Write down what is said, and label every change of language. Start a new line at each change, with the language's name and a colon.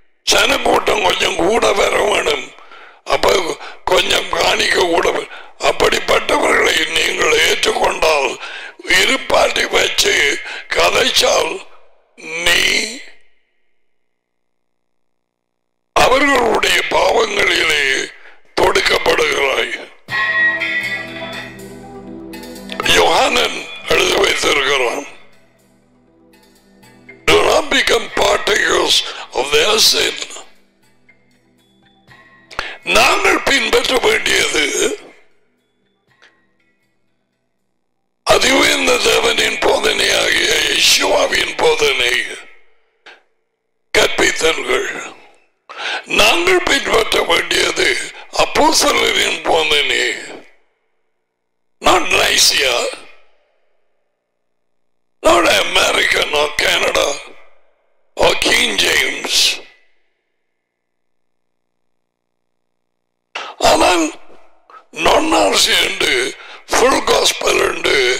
Tamil: சனக்கூட்டம் கொஞ்சம் கூட வர வேணும், அப்ப கொஞ்சம் காணிக்க கூட, அப்படிப்பட்டவர்களை நீங்கள் ஏற்றுக்கொண்டால் இருப்பாட்டி வச்சு கதைச்சால் நீ அவர்களுடைய பாவங்களிலே தொடுக்கப்படுகிறாய். யோகானன் எழுதி வைத்திருக்கிறான்,
English: Do not become partakers of their sin.
Tamil: நாங்கள் பின்பற்ற வேண்டியது அதி உயர்ந்த தேவனின் போதனையாகிய யேசுவின் போதனை, கற்பித்தல்கள். நாங்கள் பின்பற்ற வேண்டியது அப்போஸ்தலரின் போதனை,
English: not Nicaea, not America, not Canada, or King James.
Tamil: ஆனால் நொன்னாசி உண்டு, ஃபுல் காஸ்பல் உண்டு.